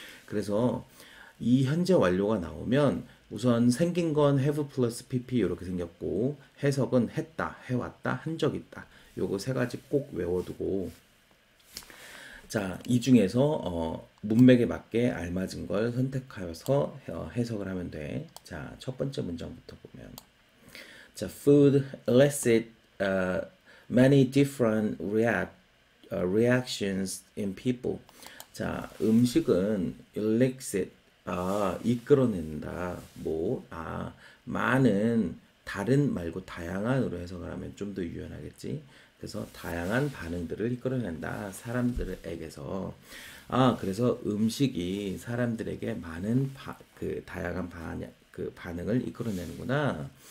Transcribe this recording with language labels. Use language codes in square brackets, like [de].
[ko] 그래서 이 현재 완료가 나오면 우선 생긴 건 have plus pp 이렇게 생겼고, 해석은 했다, 해왔다, 한적 있다. 요거 세 가지 꼭 외워두고. 자, 이 중에서 문맥에 맞게 알맞은 걸 선택하여서 해석을 하면 돼. 자, 첫 번째 문장부터 보면. [en] 자, food elicits many different reactions in people. [ko] 자, 음식은 elicits, 아, 이끌어낸다. 뭐, 아, 많은, 다른 말고 다양한으로 해석을 하면 좀더 유연하겠지? 그래서 다양한 반응들을 이끌어낸다. 사람들에게서. 아, 그래서 음식이 사람들에게 많은 다양한 그 반응을 이끌어내는구나.